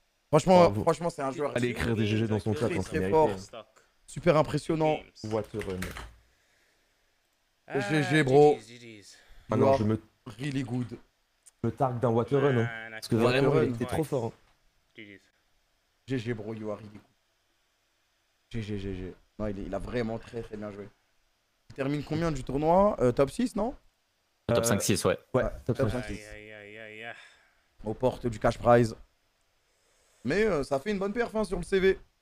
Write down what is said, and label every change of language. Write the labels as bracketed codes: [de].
[fr] Franchement, oh, franchement, c'est un joueur. Allez écrire des GG dans son chat. Très fort. Super impressionnant. [en] What a run. GG, bro. [fr] Maintenant, je me. [en] Really good. [fr] Me targue d'un water run, hein. Parce que water run était trop fort. [en] GG bro, you are really good. GG. [fr] Non, il a vraiment très très bien joué. Il termine combien du tournoi? Top 6, non? Top 5-6, ouais. Ouais, ouais, top 5-6. Aux portes du cash prize. Mais ça fait une bonne perf, hein, sur le CV.